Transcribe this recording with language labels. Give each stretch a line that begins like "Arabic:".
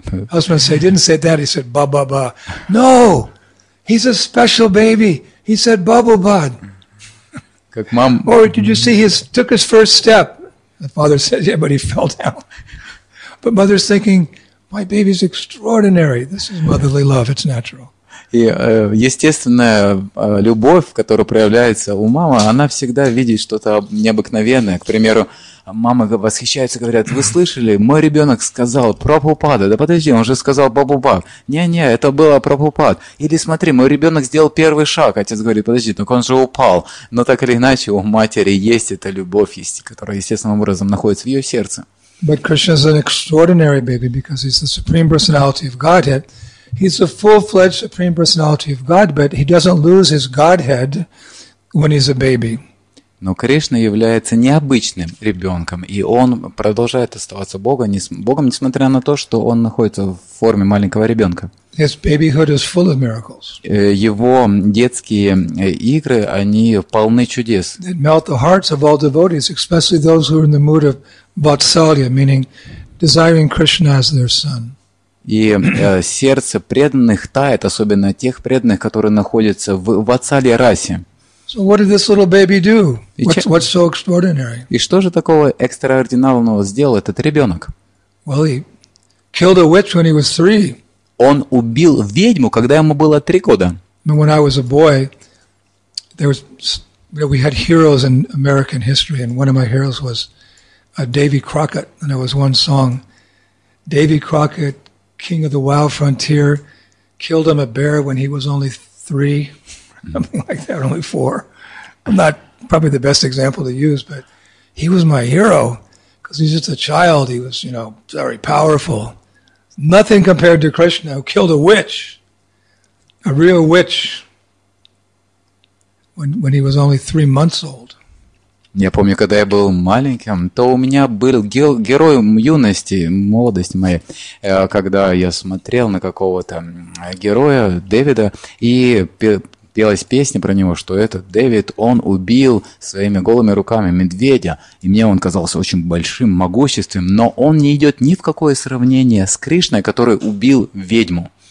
English: I was going to say, he didn't say that. He said, "Bubba Bud." No, he's a special baby. He said, "Bubba Bud."
Russian: Как мам.
English: Or did you see? He took his first step. The father says, "Yeah," but he fell down. But mother's thinking, "My baby's extraordinary. This is motherly love. It's natural."
Russian: И естественная любовь, которая проявляется у мамы, она всегда видит что-то необыкновенное. К примеру, мама восхищается, говорят: «Вы слышали? Мой ребенок сказал Прабхупада». «Да подожди, он же сказал Бабубак». «Не-не, это было Прабхупад». Или «Смотри, мой ребенок сделал первый шаг». Отец говорит: «Подожди, так он же упал». Но так или иначе, у матери есть эта любовь, которая естественным образом находится в ее сердце.
English: But Krishna is an extraordinary baby because he's the supreme personality of Godhead. He's a full-fledged supreme personality of God, but he doesn't lose his Godhead when he's a baby.
Russian: Но Кришна является необычным ребенком, и он продолжает оставаться Богом, несмотря на то, что он находится в форме маленького ребенка.
English: His babyhood is full of miracles.
Russian: Его детские игры, они полны чудес.
English: They melt the hearts of all devotees, especially those who are in the mood of vatsalya, meaning desiring Krishna as their son.
Russian: И сердце преданных тает, особенно тех преданных, которые находятся в ватсалья-расе.
English: So what did this little baby do? What's so extraordinary?
Russian: И что же такого экстраординарного сделал этот ребенок?
English: Well, he killed a witch when he was three.
Russian: Он убил ведьму, когда ему было 3 года.
English: When I was a boy, we had heroes in American history, and one of my heroes was Davy Crockett, and there was one song, Davy Crockett. King of the Wild Frontier killed him a bear when he was only 3, something like that, only 4. I'm not probably the best example to use, but he was my hero because he's just a child. He was, you know, very powerful. Nothing compared to Krishna, who killed a witch, a real witch, when he was only 3 months old.
Russian: Я помню, когда я был маленьким, то у меня был герой юности, молодости моей, когда я смотрел на какого-то героя, Дэвида, и пелась песня про него, что этот Дэвид, он убил своими голыми руками медведя, и мне он казался очень большим, могуществом, но он не идет ни в какое сравнение с Кришной, который убил ведьму.